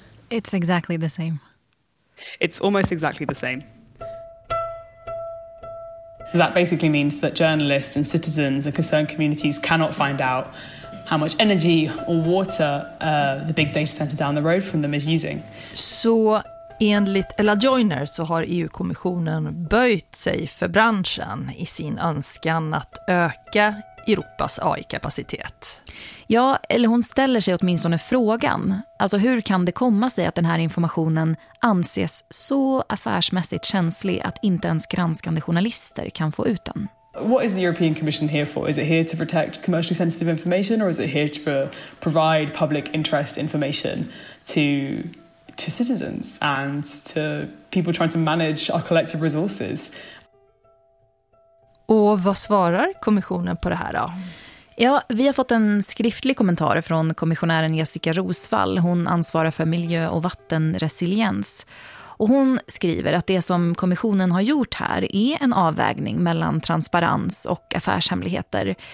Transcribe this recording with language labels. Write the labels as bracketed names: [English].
[English] It's exactly the same. It's almost exactly the same. So that basically means that journalists and citizens and concerned communities cannot find out how much energy or water the big data center down the road from them is using. [Swedish] Så enligt Ella Joyner så har EU-kommissionen böjt sig för branschen i sin önskan att öka Europas AI-kapacitet. Ja, eller hon ställer sig åtminstone frågan. Alltså hur kan det komma sig att den här informationen anses så affärsmässigt känslig att inte ens granskande journalister kan få ut den? [English] What is the European Commission here for? Is it here to protect commercially sensitive information or is it here to provide public interest information to citizens and to people trying to manage our collective resources? [Swedish] Och vad svarar kommissionen på det här då? Ja, vi har fått en skriftlig kommentar från kommissionären Jessica Rosvall. Hon ansvarar för miljö- och vattenresiliens. Och hon skriver att det som kommissionen har gjort här är en avvägning mellan transparens och affärshemligheter.